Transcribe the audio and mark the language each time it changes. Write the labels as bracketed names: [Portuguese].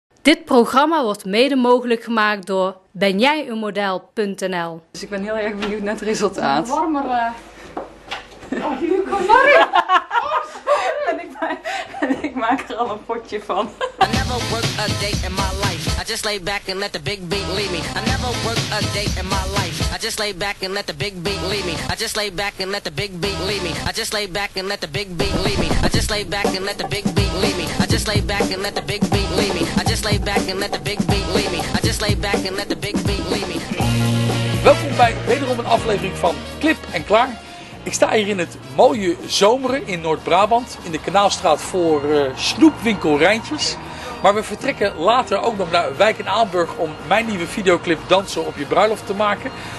[Dutch] Dit programma wordt mede mogelijk gemaakt door benjijeenmodel.nl. Dus ik ben heel erg benieuwd naar het resultaat. Het is warmer. Oh, nu kom maar in. En ik maak er al een potje van. [English] I never worked a day in my life. I just lay back and let the big beat lead me. I never worked a day in my life. I just lay back and let the big beat lead me. I just lay back and let the big beat lead me. I just lay back and let the big beat lead me. I just lay back and let the big beat lead me. I just lay back and let the big beat lead me. I just lay back and let the big beat lead me. I just lay back and let the big beat lead me. [Dutch] Welkom bij wederom een aflevering van Clip en Klaar. Ik sta hier in het mooie Zomeren in Noord-Brabant, in de Kanaalstraat voor snoepwinkel Rijntjes. Maar we vertrekken later ook nog naar Wijk in Aalburg om mijn nieuwe videoclip Dansen op je bruiloft te maken.